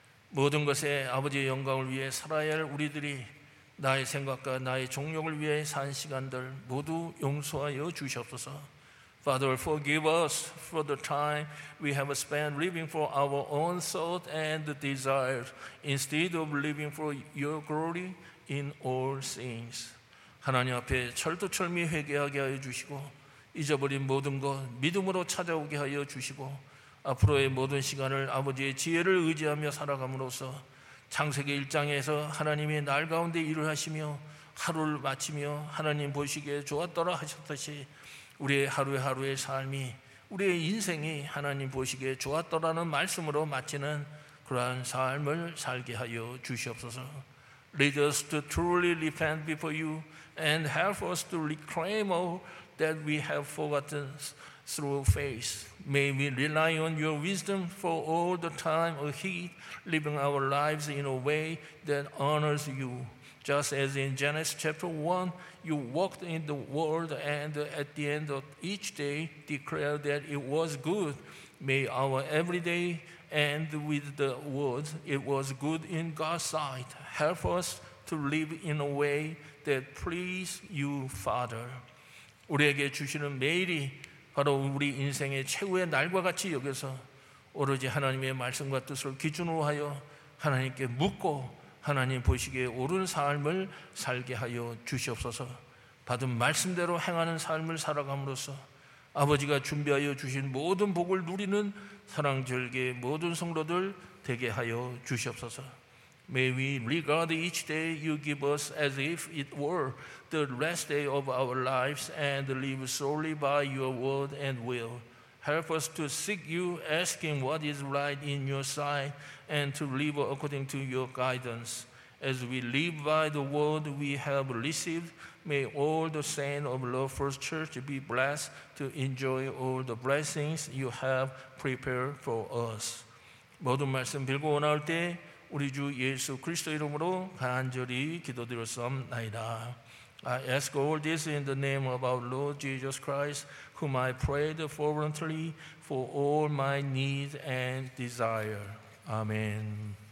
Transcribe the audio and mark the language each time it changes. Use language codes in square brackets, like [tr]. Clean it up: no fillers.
[ko] 모든 것에 아버지의 영광을 위해 살아야 할 우리들이 나의 생각과 나의 종욕을 위해 산 시간들 모두 용서하여 주시옵소서. [en] Father, forgive us for the time we have spent living for our own thoughts and desires instead of living for your glory in all things. [ko] 하나님 앞에 철두철미 회개하게 하여 주시고 잊어버린 모든 것 믿음으로 찾아오게 하여 주시고 앞으로의 모든 시간을 아버지의 지혜를 의지하며 살아감으로써 창세기 1장에서 하나님이 날 가운데 일을 하시며 하루를 마치며 하나님 보시기에 좋았더라 하셨듯이 우리의 하루의 삶이 우리의 인생이 하나님 보시기에 좋았더라는 말씀으로 마치는 그러한 삶을 살게 하여 주시옵소서. [en] Lead us to truly repent before you and help us to reclaim all that we have forgotten through faith. May we rely on your wisdom for all the time ahead, living our lives in a way that honors you. Just as in Genesis chapter 1, you walked in the world and at the end of each day declared that it was good. May our everyday end with the words, it was good in God's sight. Help us to live in a way that pleases you, Father. [ko] 우리에게 주시는 매일이 바로 우리 인생의 최후의 날과 같이 여겨서 오로지 하나님의 말씀과 뜻을 기준으로 하여 하나님께 묻고 하나님 보시기에 옳은 삶을 살게 하여 주시옵소서. 받은 말씀대로 행하는 삶을 살아감으로써 아버지가 준비하여 주신 모든 복을 누리는 사랑절개의 모든 성도들 되게 하여 주시옵소서. [en] May we regard each day you give us as if it were the last day of our lives and live solely by your word and will. Help us to seek you, asking what is right in your sight, and to live according to your guidance. As we live by the word we have received, may all the saints of Love First Church be blessed to enjoy all the blessings you have prepared for us. [ko] 모든 말씀 빌고 나올 때 우리 주 예수 그리스도 이름으로 간절히 기도드렸사옵나이다. [en] I ask all this in the name of our Lord Jesus Christ, whom I prayed fervently for all my needs and desire. Amen.